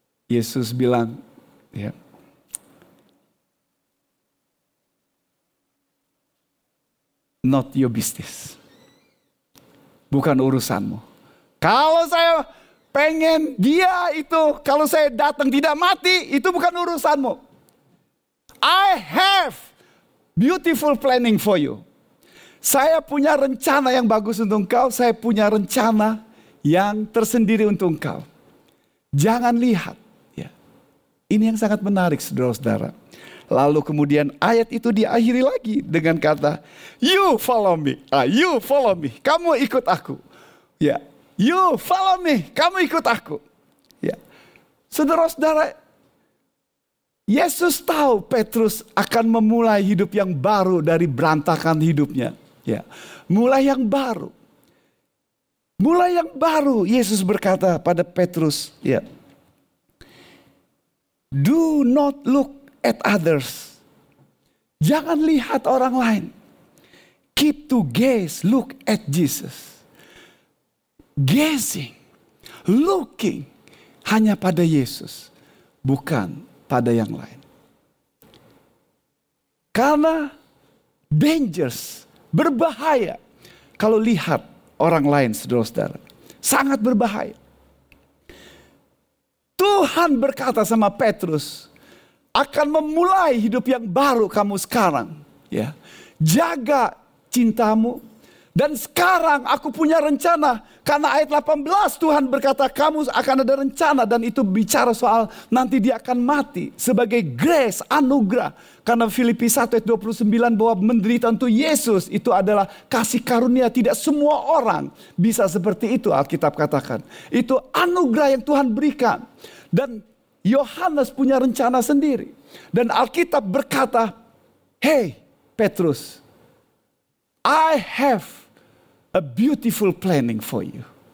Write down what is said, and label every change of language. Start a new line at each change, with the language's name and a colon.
Indonesian: Yesus bilang, ya,
English: not your business.
Indonesian: Bukan urusanmu. Kalau saya pengen dia itu, kalau saya datang tidak mati, itu bukan urusanmu.
English: I have beautiful planning for you.
Indonesian: Saya punya rencana yang bagus untuk engkau. Saya punya rencana yang tersendiri untuk engkau. Jangan lihat. Ini yang sangat menarik, saudara-saudara. Lalu kemudian ayat itu diakhiri lagi dengan kata,
English: you follow me, you follow me,
Indonesian: kamu ikut aku. Ya,
English: you follow me,
Indonesian: kamu ikut aku. Ya, saudara-saudara, Yesus tahu Petrus akan memulai hidup yang baru dari berantakan hidupnya. Ya, mulai yang baru. Mulai yang baru, Yesus berkata pada Petrus, ya,
English: do not look at others.
Indonesian: Jangan lihat orang lain.
English: Keep to gaze, look at Jesus. Gazing, looking
Indonesian: hanya pada Yesus, bukan pada yang lain. Karena dangerous, berbahaya kalau lihat orang lain, saudara-saudara. Sangat berbahaya. Tuhan berkata sama Petrus, akan memulai hidup yang baru kamu sekarang. Ya, jaga cintamu. Dan sekarang aku punya rencana. Karena ayat 18 Tuhan berkata kamu akan ada rencana. Dan itu bicara soal nanti dia akan mati. Sebagai grace, anugerah. Karena Filipi 1 ayat 29 bahwa menderita untuk Yesus. Itu adalah kasih karunia. Tidak semua orang bisa seperti itu, Alkitab katakan. Itu anugerah yang Tuhan berikan. Dan Yohanes punya rencana sendiri. Dan Alkitab berkata, hey Petrus,
English: I have a beautiful planning for you.